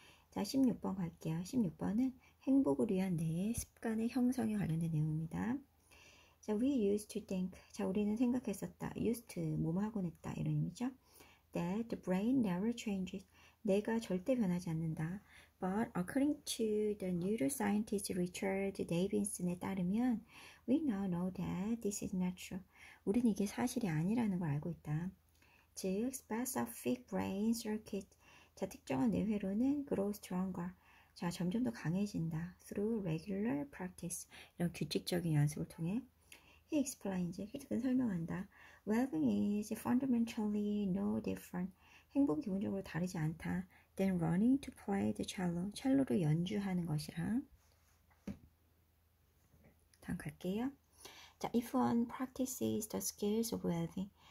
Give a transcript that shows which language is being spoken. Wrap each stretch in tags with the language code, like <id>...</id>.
<ko>자, 16번 갈게요. 16번은 행복을 위한 뇌의 습관의 형성에 관련된 내용입니다. 자,</ko> <en>we used to think.</en> <ko>자, 우리는 생각했었다. used to, 뭐뭐 하곤 했다. 이런 의미죠.</ko> <en>that the brain never changes.</en> <ko>뇌가 절대 변하지 않는다.</ko> <en>But according to the neuroscientist Richard Davidson에 따르면, we now know that this is not true.</en> <ko>우리는 이게 사실이 아니라는 걸 알고 있다.</ko> <en>즉, specific brain circuit.</en> <ko>자, 특정한 뇌회로는</ko> <en>grow stronger.</en> <ko>자, 점점 더 강해진다.</ko> <en>Through regular practice.</en> <ko>이런 규칙적인 연습을 통해.</ko> <en>He explains.</en> <ko>그는 설명한다.</ko> <en>Well-being is fundamentally no different.</en> <ko>행복은 기본적으로 다르지 않다.</ko> <en>Then running to play the cello.</en> <ko>첼로로 연주하는 것이랑. 다음 갈게요.</ko> <en>자, if one practices the skills of well-being.</en>